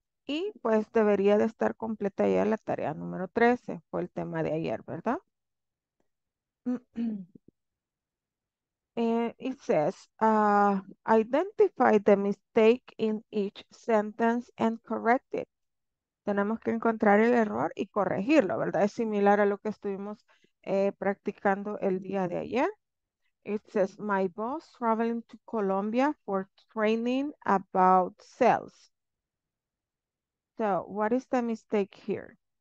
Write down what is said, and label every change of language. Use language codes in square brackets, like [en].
[es] Y pues debería de estar completa ya la tarea número 13, fue el tema de ayer, ¿verdad? [en] It says, identify the mistake in each sentence and correct it. [es] Tenemos que encontrar el error y corregirlo, ¿verdad? Es similar a lo que estuvimos practicando el día de ayer. [en] It says, my boss traveling to Colombia for training about sales. So, what is the mistake here?